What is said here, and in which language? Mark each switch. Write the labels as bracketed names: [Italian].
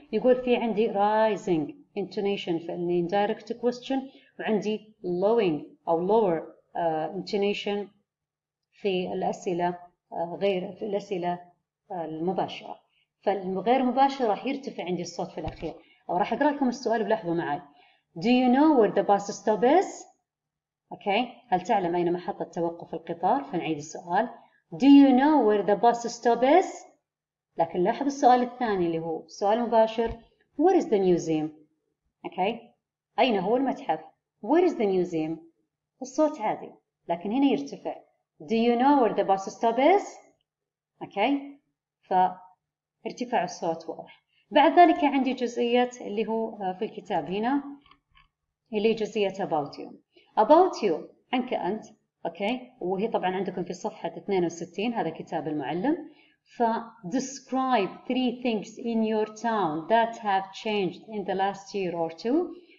[Arabic] يقول في عندي rising intonation في الـ indirect question، وعندي lowering أو lower intonation في الأسئلة غير في الأسئلة المباشرة. فالغير مباشر راح يرتفع عندي الصوت في الأخير. وراح أقرأ لكم السؤال ولاحظوا معي. [English] Do you know where the bus stop is؟ Okay. [Arabic] هل تعلم أين محطة توقف القطار؟ فنعيد السؤال. [English] Do you know where the bus stop is؟ [Arabic] لكن لاحظ السؤال الثاني اللي هو سؤال مباشر. [English] Where is the museum؟ Okay. [Arabic] أين هو المتحف؟ [English] Where is the museum؟ [Arabic] الصوت عادي لكن هنا يرتفع. [English] Do you know where the bus stop is؟ Okay. [Arabic] فارتفع الصوت واضح. بعد ذلك عندي جزئية اللي هو في الكتاب هنا، اللي هي جزئية about you. About you عنك أنت، أوكي، وهي طبعا عندكم في صفحة 62، هذا كتاب المعلم. [English] ف describe three things in your town that have changed in the last year or two.